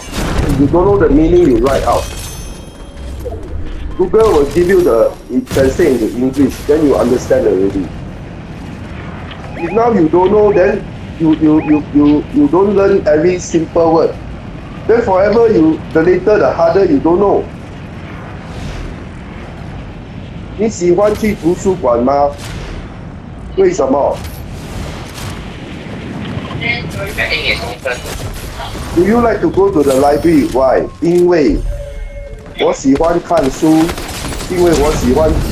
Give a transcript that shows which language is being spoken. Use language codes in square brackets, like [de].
[en] If you don't know the meaning, you write out. Google will give you the translation into English, then you understand already. If now you don't know, then you don't learn every simple word. Then forever you, the later the harder you don't know. [zh] 你喜欢去图书馆吗？为什么？ [en] Do you like to go to the library? Why? [zh] 因为我喜欢看书，因为我喜欢。